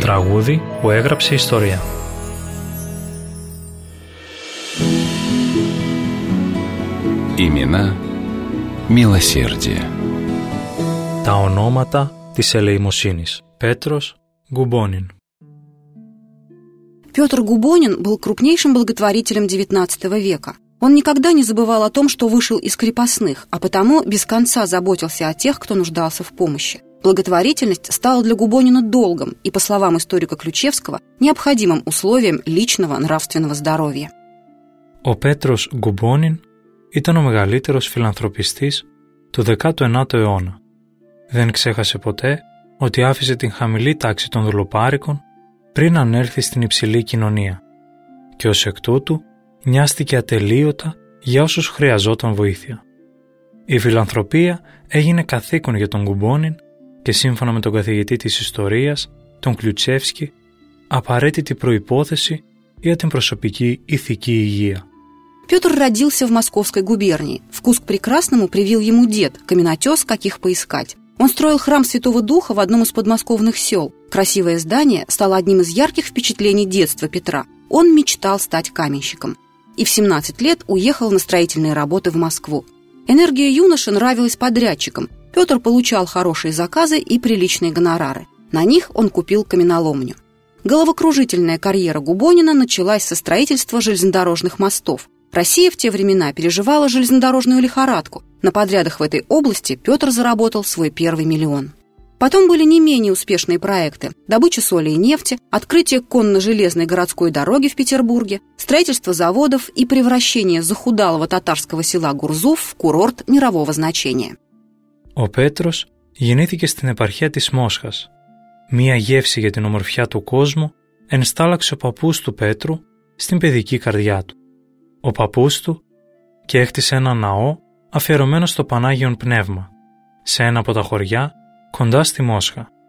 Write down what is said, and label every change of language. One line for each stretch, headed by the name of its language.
Greek: Трагуди, που έγραψε ιστορία.
Russian: Имена милосердия.
Greek: Τα ονόματα της ελεημοσύνης. Петрос Губонин.
Russian: Петр Губонин был крупнейшим благотворителем XIX века. Он никогда не забывал о том, что вышел из крепостных, а потому без конца заботился о тех, кто нуждался в помощи. Благотворительность стала для Губонина долгом и, по словам историка Ключевского, необходимым условием личного нравственного здоровья.
Greek: Ο Πέτρος Γκουμπόνιν ήταν ο μεγαλύτερος φιλανθρωπιστής του 19ου αιώνα. Δεν ξέχασε ποτέ ότι άφησε την χαμηλή τάξη των δουλοπάρικων πριν ανέλθει στην υψηλή κοινωνία. Και ως εκ τούτου νοιάστηκε ατελείωτα για όσους χρειαζόταν βοήθεια. Η φιλανθρωπία έγινε καθήκον για τον Γκουμπόνιν και σύμφωνα με τον καθηγητή της ιστορίας, τον Κλιουτσεύσκη, απαραίτητη προϋπόθεση για την προσωπική ηθική υγεία.
Russian: Петр родился в Московской губернии. Вкус к прекрасному привил ему дед, каменотес, каких поискать. Он строил храм Святого Духа в одном из подмосковных сел. Красивое здание стало одним из ярких впечатлений детства Петра. Он мечтал стать каменщиком. И в 17 лет уехал на строительные работы в Москву. Энергия юноши нравилась подрядчикам. Петр получал хорошие заказы и приличные гонорары. На них он купил каменоломню. Головокружительная карьера Губонина началась со строительства железнодорожных мостов. Россия в те времена переживала железнодорожную лихорадку. На подрядах в этой области Петр заработал свой первый миллион. Потом были не менее успешные проекты. Добыча соли и нефти, открытие конно-железной городской дороги в Петербурге, строительство заводов и превращение захудалого татарского села Гурзуф в курорт мирового значения.
Greek: Ο Πέτρος γεννήθηκε στην επαρχία της Μόσχας. Μία γεύση για την ομορφιά του κόσμου ενστάλλαξε ο παππούς του Πέτρου στην παιδική καρδιά του. Ο παππούς του και έχτισε ένα ναό αφιερωμένο στο Πανάγιον Πνεύμα, σε ένα από τα χωριά κοντά στη Μόσχα.